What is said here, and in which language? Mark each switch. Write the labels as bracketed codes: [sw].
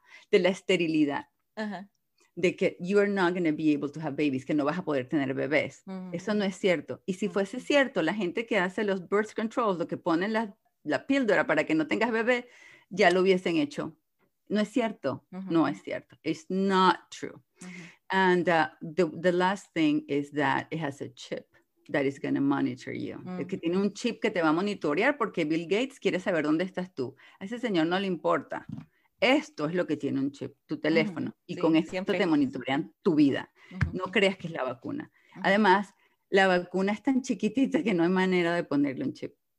[es] De la esterilidad. Uh-huh. De que [en] you are not going to be able to have babies, [es] que no vas a poder tener bebés. Mm-hmm. Eso no es cierto. Y si fuese cierto, la gente que hace los birth controls, lo que ponen la píldora para que no tengas bebé, ya lo hubiesen hecho. No es cierto. Mm-hmm. No es cierto. [en] It's not true. [es] Mm-hmm. [en] And the last thing is that it has a chip that is going to monitor you. Mm-hmm. [es] Es que tiene un chip que te va a monitorear porque Bill Gates quiere saber dónde estás tú. A ese señor no le importa. Esto es lo que tiene un chip, tu teléfono. Uh-huh. Y sí, con esto siempre te monitorean tu vida. Uh-huh. No creas que es la vacuna. Uh-huh. Además, la vacuna es tan chiquitita que no hay manera de ponerle un chip.